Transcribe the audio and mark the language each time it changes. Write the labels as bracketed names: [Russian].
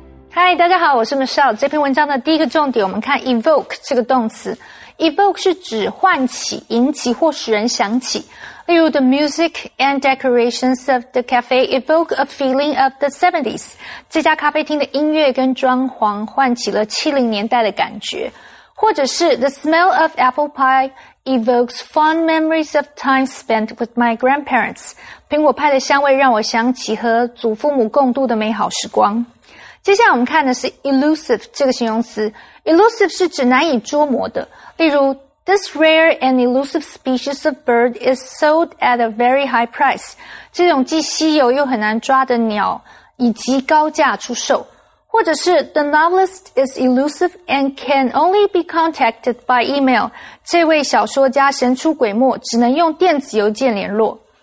[Chinese] Hi, 大家好，我是 Michelle。这篇文章的第一个重点，我们看 evoke 这个动词。 Evoke 是指唤起、引起或使人想起。例如 [English] the music and decorations of the cafe evoke a feeling of the 70s. [Chinese] 这家咖啡厅的音乐跟装潢唤起了70年代的感觉。或者是 [English] the smell of apple pie evokes fond memories of time spent with my grandparents. [Chinese] 苹果派的香味让我想起和祖父母共度的美好时光。接下来我们看的是 elusive 这个形容词。Elusive 是指难以捉摸的。例如 [English] This rare and elusive species of bird is sold at a very high price. [Chinese] 这种既稀有又很难抓的鸟以极高价出售。或者是 [English] The novelist is elusive and can only be contacted by email. [Chinese] 这位小说家神出鬼没，只能用电子邮件联络。